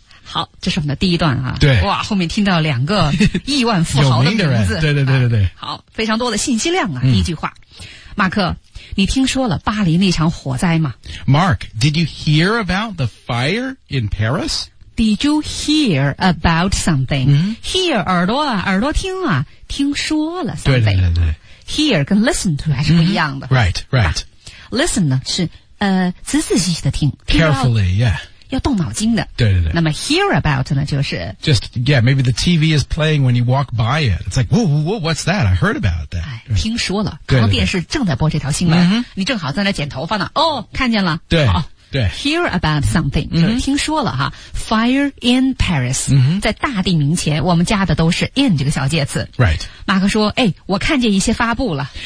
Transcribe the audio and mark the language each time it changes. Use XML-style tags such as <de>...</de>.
<zh>好，这是我们的第一段啊。对。哇，后面听到两个亿万富豪的名字。对对对对对、啊。好，非常多的信息量啊。第一句话，马克，你听说了巴黎那场火灾吗</zh> <en>？Mark, did you hear about the fire in Paris? Did you hear about something?、 Mm-hmm.</en> <zh>Hear, 耳朵啊，耳朵听啊，听说了 something. 对对对对。 Hear 跟 listen to 还是不一样的。</zh> <en>Mm-hmm. Right, right.、</en> <zh>啊、listen 呢是仔仔细细的听。</zh> <en>Carefully, yeah.</en> <zh>要动脑筋的。对对对。那么 hear about 呢就是。</zh> <en>Just, yeah, maybe the TV is playing when you walk by it. It's like, whoa, whoa, whoa, what's that? I heard about that.</en> <zh>哎，听说了。可能电视正在播这条新闻。 Mm-hmm. 你正好在那剪头发呢。哦，看见了。对。好对</zh> <en>，hear about something、 mm-hmm.</en> <zh>就是听说了哈 ，</zh> <en>fire in Paris、 mm-hmm.</en> <zh>在大地名前，我们加的都是 in 这个小介词。</zh> <en>Right，</en> <zh>马克说，哎，我看见一些发布了。</zh>